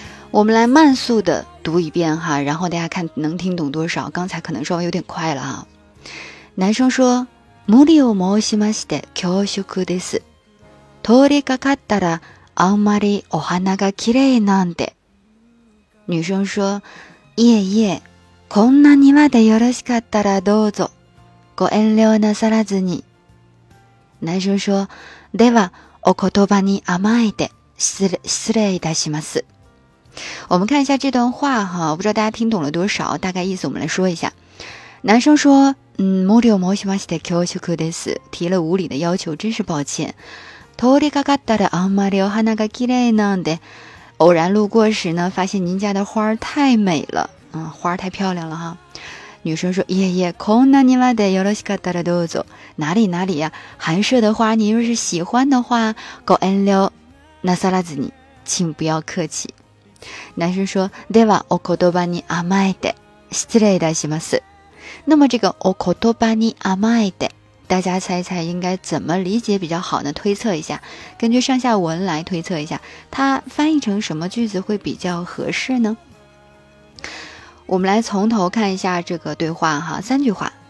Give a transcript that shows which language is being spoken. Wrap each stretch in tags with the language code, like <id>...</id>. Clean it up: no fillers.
<zh>我们来慢速的读一遍哈，然后大家看能听懂多少。刚才可能稍微有点快了哈。男生说，</zh> <ja>無理を申しまして恐縮です。通りかかったらあんまりお花が綺麗なんで。</ja> <zh>女生说，</zh> <ja>いえいえ、こんな庭でよろしかったらどうぞ、ご遠慮なさらずに。</ja> <zh>男生说，</zh> <ja>ではお言葉に甘えて失礼いたします。</ja> <zh>我们看一下这段话哈，不知道大家听懂了多少，大概意思我们来说一下。男生说，</zh> <ja>無理を申しまして恐縮です。</ja> <zh>提了无理的要求，真是抱歉。</zh> <ja>通りかかったらあんまりお花が綺麗なんで，</ja> <zh>偶然路过时呢发现您家的花太美了，花太漂亮了哈。女生说，</zh> <ja>いえいえ、こんな庭でよろしかったらどうぞ，</ja> <zh>哪里哪里呀、寒舍的花你若是喜欢的话，</zh> <ja>ご遠慮なさらずに，</ja> <zh>请不要客气。男生说，</zh> <ja>ではお言葉に甘えて失礼いたします。</ja> <zh>那么这个</zh> <ja>お言葉に甘えて，</ja> <zh>大家猜一猜应该怎么理解比较好呢？推测一下，根据上下文来推测一下，它翻译成什么句子会比较合适呢？我们来从头看一下这个对话哈，三句话。</zh>